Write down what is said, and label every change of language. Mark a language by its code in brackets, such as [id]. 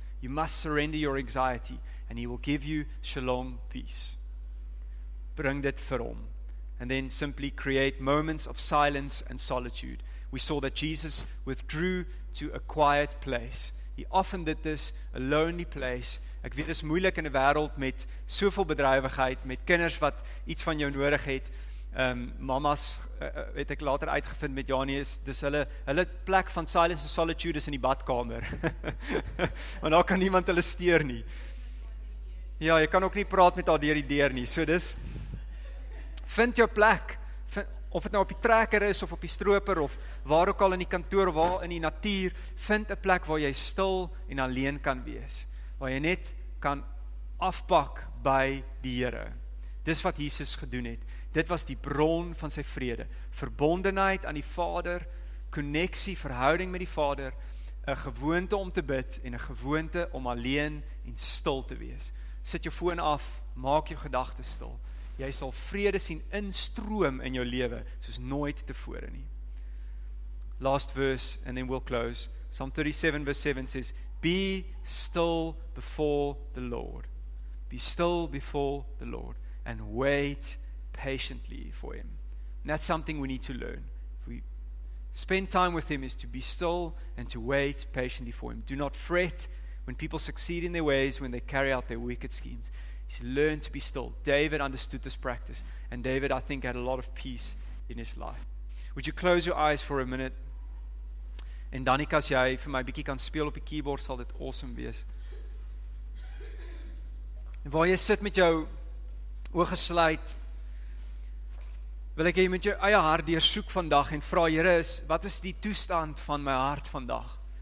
[en] You must surrender your anxiety, and he will give you shalom peace. [af] Bring dit vir hom. [en] And then simply create moments of silence and solitude. We saw that Jesus withdrew to a quiet place. He often did this, a lonely place. [af] Ek weet, is moeilik in 'n wêreld met soveel bedrywigheid, met kinders wat iets van jou nodig het. Mamas, het ek later uitgevind met Janius, dis hulle plek van [en] silence and solitude [af] is in die badkamer. Want daar kan niemand hulle steur nie. Ja, jy kan ook nie praat met haar deur die deur nie. So dis, vind jou plek. Of het nou op die trekker is, of op die stroper, of waar ook al in die kantoor, waar in die natuur, vind 'n plek waar jy stil en alleen kan wees. Waar jy net kan afpak by die Here. Dis wat Jesus gedoen het. Dit was die bron van sy vrede. Verbondenheid aan die Vader, koneksie, verhouding met die Vader, 'n gewoonte om te bid, en 'n gewoonte om alleen en stil te wees. Sit jou foon af, maak jou gedagte stil. Jy sal vrede sien instroom in jou lewe, soos nooit tevore nie. [en] Last verse, and then we'll close. Psalm 37 verse 7 says, be still before the Lord. Be still before the Lord, and wait patiently for him. And that's something we need to learn. If we spend time with him, is to be still and to wait patiently for him. Do not fret when people succeed in their ways, when they carry out their wicked schemes. He's learned to be still. David understood this practice. And David, I think, had a lot of peace in his life. Would you close your eyes for a minute? [af] En Danica, as jy vir my bietjie kan speel op die keyboard, sal dit awesome wees. En waar jy sit met jou oog gesluit, wil ek jy met jou eie hart deursoek vandag en vra, Here, wat is die toestand van my hart vandag?